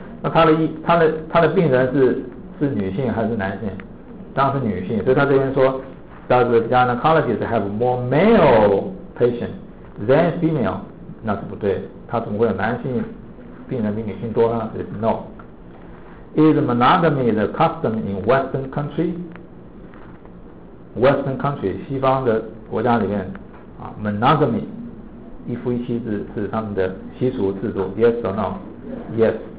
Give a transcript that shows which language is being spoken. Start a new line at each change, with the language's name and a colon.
Chinese: 那他的病人是女性还是男性？当然是女性。所以他这边说。
English: Does the gynecologist have more male patients than female？
Chinese: 那是不对，他怎么会有男性病人比女性多呢？
English: It's no。 Is monogamy the custom in Western country？ Western country
Chinese: 西方的国家里面啊， monogamy 一夫一妻制是他们的习俗制度。
English: Yes or no？ Yes。